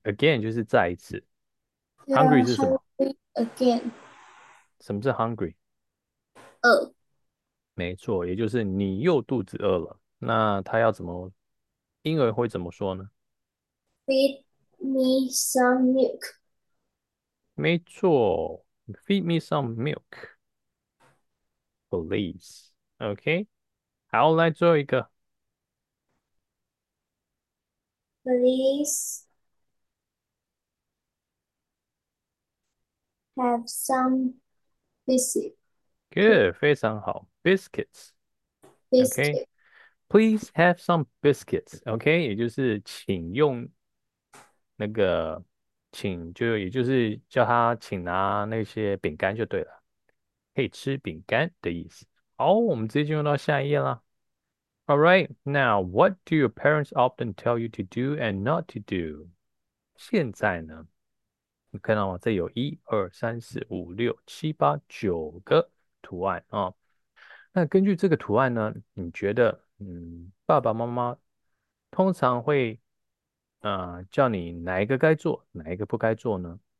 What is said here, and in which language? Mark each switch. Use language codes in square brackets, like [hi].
[zh] Again 就是再一次。 [en] You Hungry are [zh] 是什么？ [en] hungry again. [zh] 什么是 hungry？ Oh. 没错，也就是你又肚子饿了。那他要怎么，英文会怎么说呢？ [en] Feed me some milk. [zh] 没错， [en] Feed me some milk, please. [zh] OK，好，来最后一个。 [en] Please have some biscuit. Good， [zh] 非常好。 [en] Biscuits，OK，Please、okay? Biscuit. have some biscuits，OK，、okay? [zh] 也就是请用那个，请就也就是叫他请拿那些饼干就对了，可以吃饼干的意思。好，我们直接进入到下一页啦。 [en] All right，now what do your parents often tell you to do and not to do？ [zh] 现在呢，你看到吗？这有一二三四五六七八九个图案啊，那根据这个图案呢，你觉得，爸爸妈妈通常会，叫你哪一个该做，哪一个不该做呢？